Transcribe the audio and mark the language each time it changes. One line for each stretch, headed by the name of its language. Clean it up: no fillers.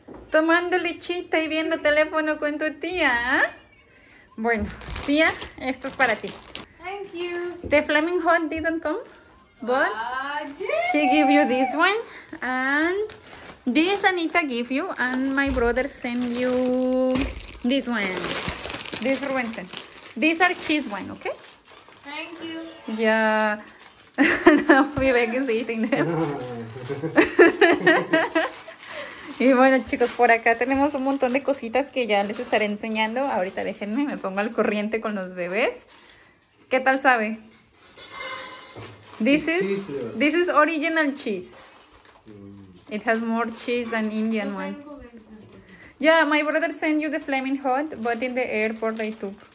Spanish: Tomando lechita y viendo teléfono con tu tía, ¿eh? Bueno, tía, esto es para ti.
English: Thank you. The Flaming Hot didn't come, but she gave you this one. And this Anita gave you, and my brother sent you this one. This Rubensen. These are cheese wine, okay? Thank you. Yeah. Now Vivek is eating them.
Spanish: Y bueno, chicos, por acá tenemos un montón de cositas que ya les estaré enseñando. Ahorita déjenme, me pongo al corriente con los bebés. ¿Qué tal sabe?
English: This is original cheese. It has more cheese than Indian one. Yeah, my brother sent you the Flaming Hot, but in the airport they took.